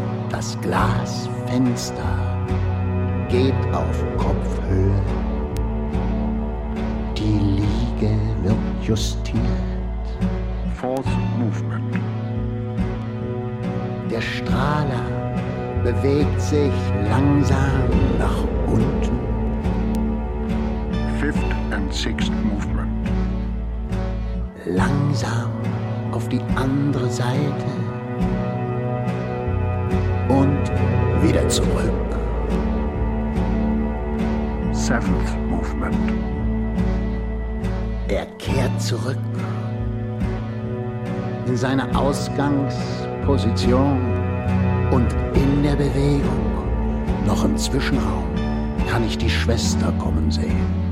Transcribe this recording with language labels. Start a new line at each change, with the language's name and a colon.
German: Das Glasfenster geht auf Kopfhöhe. Die Liege wird justiert.
English: Fourth movement.
German: Der Strahler bewegt sich langsam nach unten.
English: Fifth and sixth movement.
German: Langsam auf die andere Seite und wieder zurück.
English: Seventh movement.
German: Er kehrt zurück in seine Ausgangsposition und in der Bewegung, noch im Zwischenraum, kann ich die Schwester kommen sehen.